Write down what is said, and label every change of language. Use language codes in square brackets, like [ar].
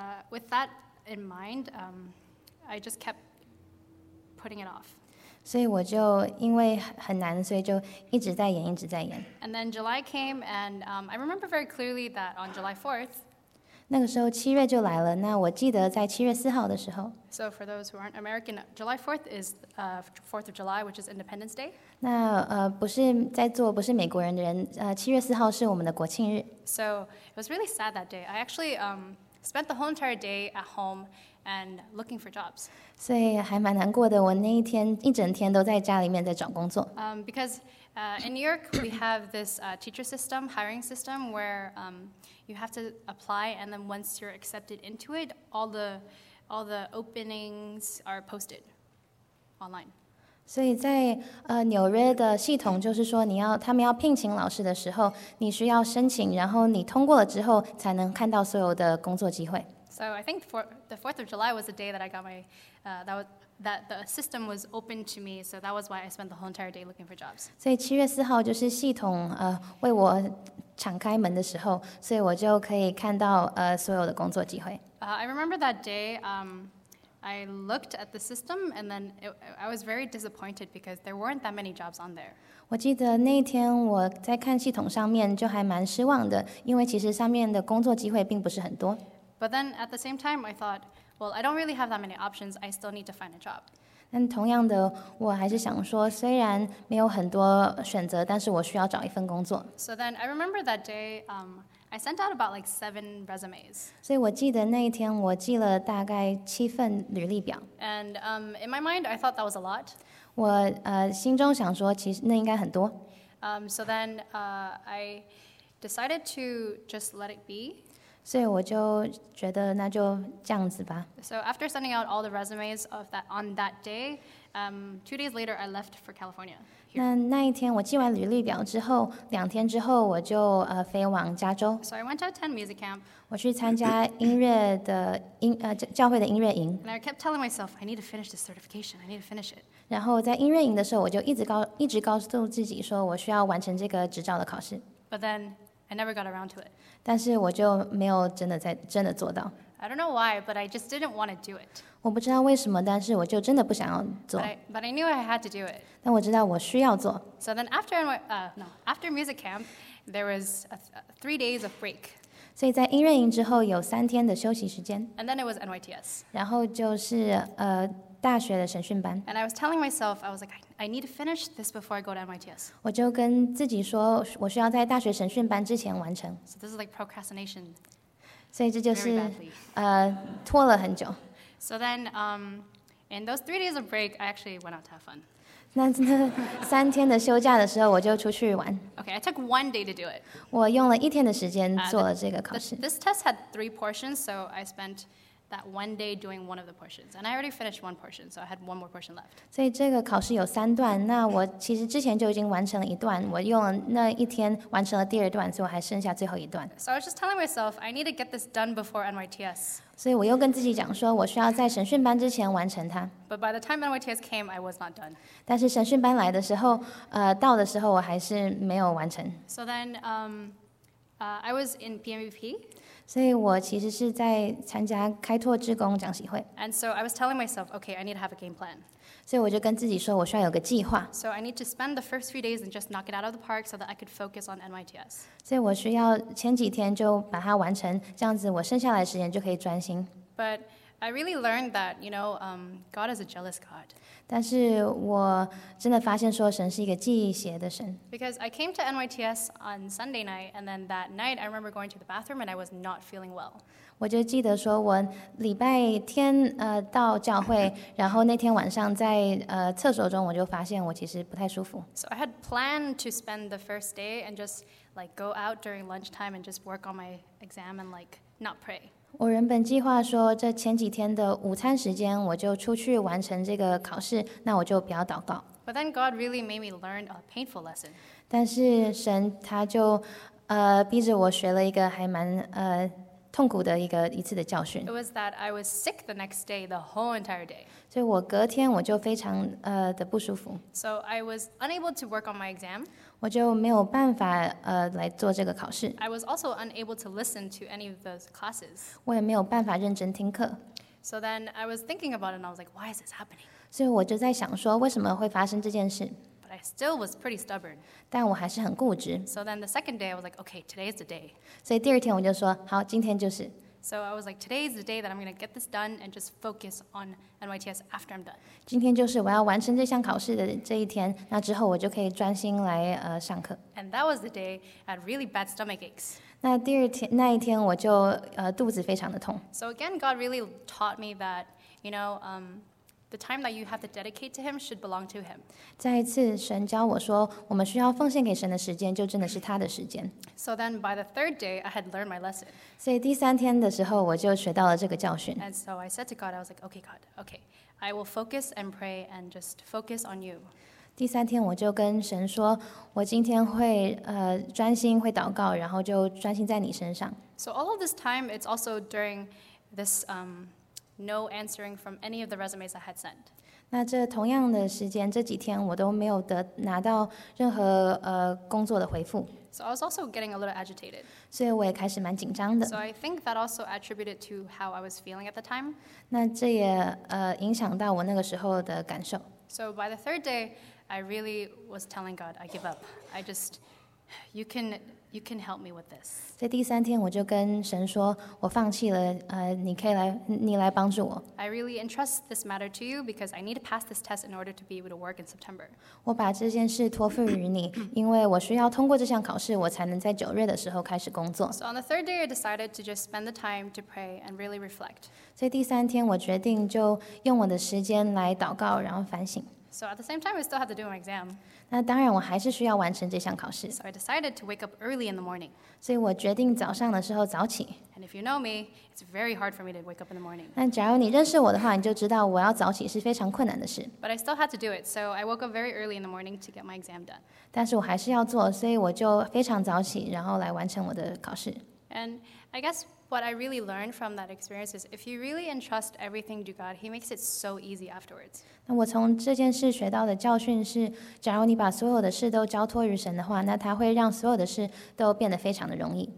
[en] With that in mind, I just kept putting it off. [zh] 所以我就因为很难，所以就一直在演，一直在演。 [en] And then July came, and I remember very clearly that on July 4th, [zh] 那个时候七月就来了。那我记得在七月四号的时候。 [en] So for those who aren't American, July 4th is Fourth of July, which is Independence Day. [zh] 那不是在座不是美国人的人，七月四号是我们的国庆日。 [en] So it was really sad that day. I actually spent the whole entire day at home and looking for jobs. [zh] 所以还蛮难过的，我那一天一整天都在家里面在找工作。 [en] Because in New York we have this teacher system, hiring system, where you have to apply, and then once you're accepted into it, all the openings are posted online. [zh] 所以在纽约的系统就是说你要他们要聘请老师的时候你需要申请然后你通过了之后才能看到所有的工作机会 [en] So I think the 4th of July was the day that I got my that the system was open to me so that was why I spent the whole entire day looking for jobs [zh] 所以7月4号就是系统为我敞开门的时候所以我就可以看到所有的工作机会 [en] I remember that day I looked at the system and then I was very disappointed because there weren't that many jobs on there. [zh] 我记得那天我在看系统上面就还蛮失望的，因为其实上面的工作机会并不是很多。 [en] But then at the same time, I thought, well, I don't really have that many options. I still need to find a job. [zh] 但同样的，我还是想说，虽然没有很多选择，但是我需要找一份工作。 [en] So then I remember that day, I sent out about like 7 resumes. [zh] 所以我记得那一天我寄了大概七份履历表。 [en] And in my mind, I thought that was a lot. [zh] 我心中想说，其实那应该很多。 [en] So then I decided to just let it be. [zh] 所以我就觉得那就这样子吧。 [en] So after sending out all the resumes of that on that day, 2 days later, I left for California. [zh] 那一天我寄完履历表之后，两天之后我就飞往加州。 [en] So I went to attend music camp. [zh] 我去参加音乐的教会的音乐营。 [en] And I kept telling myself, I need to finish this certification. I need to finish it. [zh] 然后在音乐营的时候，我就一直告诉自己说，我需要完成这个执照的考试。 [en] But then I never got around to it. [zh] 但是我就没有真的做到。 [en] I don't know why, but I just didn't want to do it. [zh] 我不知道为什么，但是我就真的不想要做。 [en] But I knew I had to do it. [zh] 但我知道我需要做。 [en] So then after music camp, there was three days of break. [zh] 所以在音乐营之后有三天的休息时间。 [en] And then it was NYTS. [zh] 然后就是大学的审讯班。 [en] And I was telling myself, I was like, I need to finish this before I go to NYTS. [zh] 我就跟自己说，我需要在大学审讯班之前完成。 [en] So this is like procrastination. [zh] 所以这就是拖了很久。 [en] So then, in those 3 days of break, I actually went out to have fun. [zh] 那三天的休假的时候，我就出去玩。 [en] Okay, I took one day to do it. [zh] 我用了一天的时间做了这个考试。 [en] This test had 3 portions, so I spent that one day doing one of the portions. And I already finished one portion, so I had one more portion left. [zh] 所以这个考试有三段，那我其实之前就已经完成了一段，我用了那一天完成了第二段，所以我还剩下最后一段。 [en] So I was just telling myself, I need to get this done before NYTS. [zh] 所以我又跟自己讲说，我需要在审讯班之前完成它。 [en] But by the time NYTS came, I was not done. [zh] 但是审讯班来的时候，到的时候我还是没有完成。 [en] So then, I was in PMVP. [zh] 所以我其实是在参加开拓志工讲习会。 [en] And so I was telling myself, okay, I need to have a game plan. [zh] 所以我就跟自己说，我需要有个计划。 [en] So I need to spend the first few days and just knock it out of the park so that I could focus on NYTS. [zh] 所以我需要前几天就把它完成，这样子我剩下来的时间就可以专心。 [en] But I really learned that, you know, God is a jealous God. [zh] 但是我真的发现说，神是一个嫉邪的神。 [en] Because I came to NYTS on Sunday night, and then that night I remember going to the bathroom and I was not feeling well. [zh] 我就记得说我礼拜天到教会，然后那天晚上在厕所中我就发现我其实不太舒服。 [en] So I had planned to spend the first day and just like go out during lunchtime and just work on my exam and like not pray. [zh] 我原本计划说，这前几天的午餐时间，我就出去完成这个考试，那我就不要祷告。 [en] But then God really made me learn a painful lesson. [zh] 但是神他就逼着我学了一个还蛮痛苦的一次的教训。 [en] It was that I was sick the next day, the whole entire day. [zh] 所以我隔天我就非常的不舒服。 [en] So I was unable to work on my exam. [zh] 我就没有办法来做这个考试。 [en] I was also unable to listen to any of those classes. [zh] 我也没有办法认真听课。 [en] So then I was thinking about it and I was like, why is this happening? [zh] 所以我就在想说，为什么会发生这件事？ [en] But I still was pretty stubborn. [zh] 但我还是很固执。 [en] So then the second day I was like, okay, today is the day. [zh] 所以第二天我就说，好，今天就是。 [en] So I was like, today is the day that I'm going to get this done and just focus on NYTS after I'm done. [zh] 今天就是我要完成这项考试的这一天，那之后我就可以专心来上课。 [en] And that was the day I had really bad stomach aches. [zh] 那第二天那一天我就肚子非常的痛。 [en] So again, God really taught me that, you know, the time that you have to dedicate to Him should belong to Him. [zh] 再一次神教我说，我们需要奉献给神的时间就真的是他的时间。 [en] So then by the third day, I had learned my lesson. [zh] 所以第三天的时候我就学到了这个教训。 [en] And so I said to God, I was like, okay, God, okay, I will focus and pray and just focus on you. [zh] 第三天我就跟神说，我今天会专心会祷告，然后就专心在你身上。 [en] So all of this time, it's also during this no answering from any of the resumes I had sent. [zh] 那这同样的时间，这几天我都没有拿到任何工作的回复。 [en] So I was also getting a little agitated. [zh] 所以我也开始蛮紧张的。 [en] So I think that also attributed to how I was feeling at the time. [zh] 那这也影响到我那个时候的感受。 [en] So by the third day, I really was telling God, I give up. I just, you can help me with this. [zh] 在第三天我就跟神说，我放弃了，你来帮助我。 [en] I really entrust this matter to you because I need to pass this test in order to be able to work in September. [zh] 我把这件事托付于你，因为我需要通过这项考试，我才能在九月的时候开始工作。 [en] So on the third day, I decided to just spend the time to pray and really reflect. [zh] 在第三天我决定就用我的时间来祷告，然后反省。 [en] So at the same time, I still had to do my exam. [zh] 那当然，我还是需要完成这项考试。 [en] So I decided to wake up early in the morning. [zh] 所以我决定早上的时候早起。 [en] And if you know me, it's very hard for me to wake up in the morning. [zh] 那假如你认识我的话，你就知道我要早起是非常困难的事。 [en] But I still had to do it, so I woke up very early in the morning to get my exam done. [zh] 但是我还是要做，所以我就非常早起，然后来完成我的考试。 [en] And I guess what I really learned from that experience is if you really entrust everything to God, He makes it so easy afterwards. [zh] 那我从这件事学到的教训是，假如你把所有的事都交托于神的话，那他会让所有的事都变得非常的容易。